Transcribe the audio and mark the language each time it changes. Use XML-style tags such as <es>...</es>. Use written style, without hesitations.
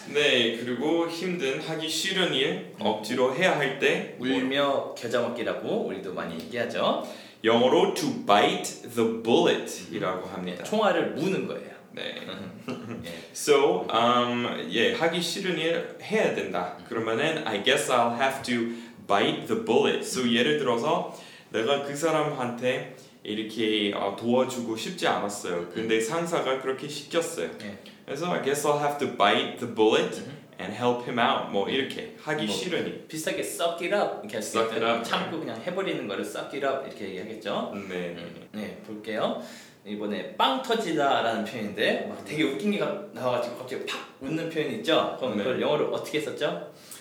<ko>네, 그리고 힘든 하기 싫은 일 억지로 해야 할 때 울며 겨자 먹기라고 우리도 많이 얘기하죠. 영어로</ko> <en>to bite the bullet</en> <ko>이라고 합니다. 네, 총알을 무는 거예요. 네. So, 예, 하기 싫은 일 해야 된다. 그러면은</ko> <en>I guess I'll have to bite the bullet.</en> <ko>So 예를 들어서 내가 그 사람한테 이렇게 도와주고 싶지 않았어요. 근데 상사가 그렇게 시켰어요. 그래서</ko> <en>I guess I'll have to bite the bullet and help him out.</en> <ko>뭐 이렇게 하기 뭐, 싫은 일. 비슷하게 suck it up. 이렇게</ko> <en>suck it up.</en> <ko>참고 그냥 해버리는 거를</ko> <en>suck it up</en> <ko>이렇게 얘기하겠죠. 네. 네, 볼게요. 이번에 빵 터지다라는 표현인데 막 되게 웃긴 게 나와가지고 갑자기 팍 웃는 표현이 있죠? 그럼 그걸 네. 영어로 어떻게 썼죠?</ko>